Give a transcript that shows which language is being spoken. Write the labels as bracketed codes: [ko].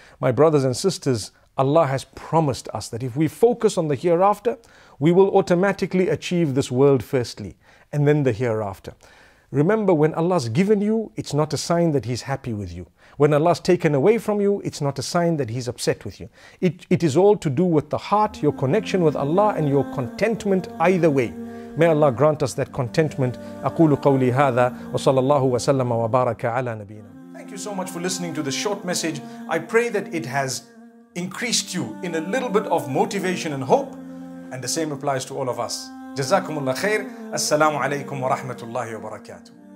[en] My brothers and sisters, Allah has promised us that if we focus on the hereafter, we will automatically achieve this world firstly, and then the hereafter. Remember, when Allah's given you, it's not a sign that He's happy with you. When Allah's taken away from you, it's not a sign that He's upset with you. It is all to do with the heart, your connection with Allah, and your contentment either way. May Allah grant us that contentment. [ar] أقول قولي هذا وصلى الله وسلم وبارك على نبينا. [en] Thank you so much for listening to this short message. I pray that it has increased you in a little bit of motivation and hope. And the same applies to all of us. [ar] جزاكم الله خير. السلام عليكم ورحمة الله وبركاته.